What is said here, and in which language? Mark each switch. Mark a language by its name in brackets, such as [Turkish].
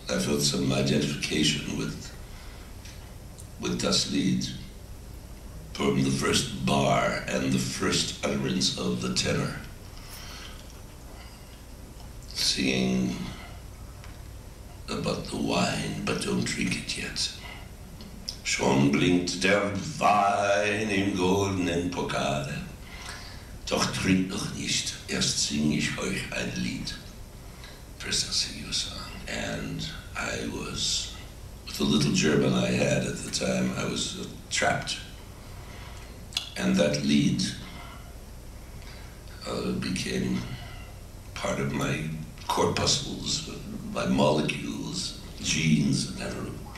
[English] I felt some identification with Das Lied from the first bar and the first utterance of the tenor. Singing about the wine, but don't drink it yet. [German] Schon blinkt der Wein im goldenen Pokal. Doch trink noch nicht, erst sing ich euch ein Lied. [English] First I'll sing you a song. And I was, with the little German I had at the time, I was trapped. And that Lied, became part of my corpuscles, my molecules, genes, whatever.